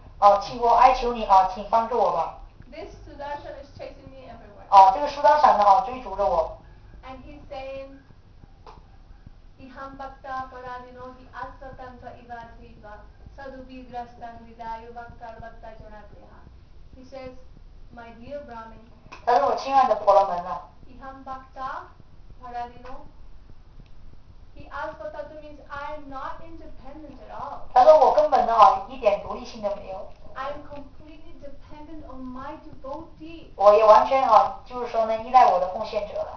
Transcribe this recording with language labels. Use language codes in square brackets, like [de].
[zh] 哦，请我哀求你请帮助我吧。 [en] This Sudarshan is chasing me everywhere. [zh] 哦，这个苏达闪呢追逐着我。 [en] And he's saying. [sa] Ihambhakta paradinohi asvatanta ivatriva sadubhidrastan vidayubhaktar bhakta janapriha. [en] He says, my dear Brahmin. [zh] 他是我亲爱的婆罗门啊。 [sa] Ihambhakta paradinohi asvatanta [en] means I am not independent at all. [zh] 他说我根本的一点独立性都没有。 [en] I am completely dependent on my devotee. [zh] 我也完全就是说呢，依赖我的奉献者了。